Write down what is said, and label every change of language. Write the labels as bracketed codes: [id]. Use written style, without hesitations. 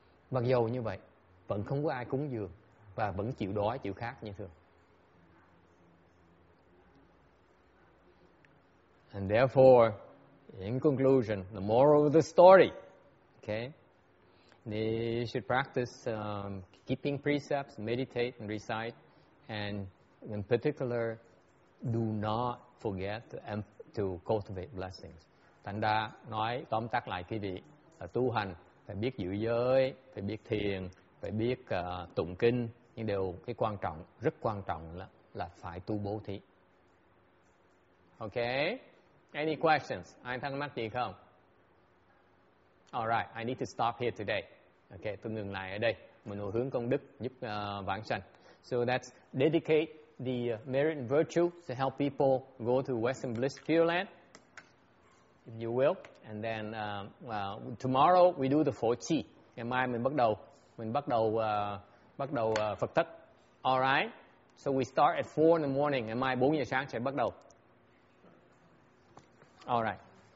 [vi] Mặc dù như vậy, vẫn không có ai cúng dường và vẫn chịu đói, chịu khát như thường. [en] And therefore, in conclusion, the moral of the story, okay, they should practice keeping precepts, meditate and recite, and in particular, do not forget to cultivate blessings. [vi] Thành ra nói tóm tắt lại quý vị là tu hành phải biết giữ giới, phải biết thiền, phải biết tụng kinh, nhưng điều cái quan trọng, rất quan trọng là phải tu bố thí. [en] Okay? Any questions? [vi] Ai thắc mắc gì không? [en] All right, I need to stop here today. [vi] Okay, tôi ngừng lại ở đây. Mình hồi hướng công đức giúp vãng sanh. [en] So that's dedicate the merit and virtue to help people go to Western Bliss Pure Land, if you will. And then tomorrow we do the Phổ Chi. [vi] Ngày mai mình bắt đầu Phật Thất. All right. [en] So we start at 4 in the morning. [vi] Ngày mai 4 giờ sáng sẽ bắt đầu. [en] All right.